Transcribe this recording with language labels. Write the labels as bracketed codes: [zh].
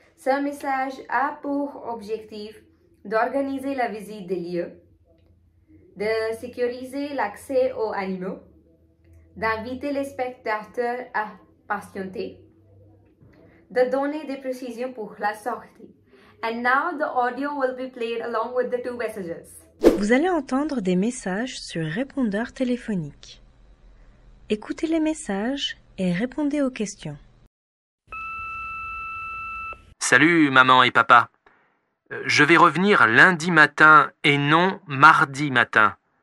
[fr] ce message a pour objectif d'organiser la visite des lieux, de sécuriser l'accès aux animaux, d'inviter les spectateurs à patienter, de donner des précisions pour la sortie. [en] And now the audio will be played along with the two messages. [fr] Vous allez entendre des messages sur répondeur téléphonique. Écoutez les messages et répondez aux questions. Salut maman et papa. Je vais revenir lundi matin et non mardi matin.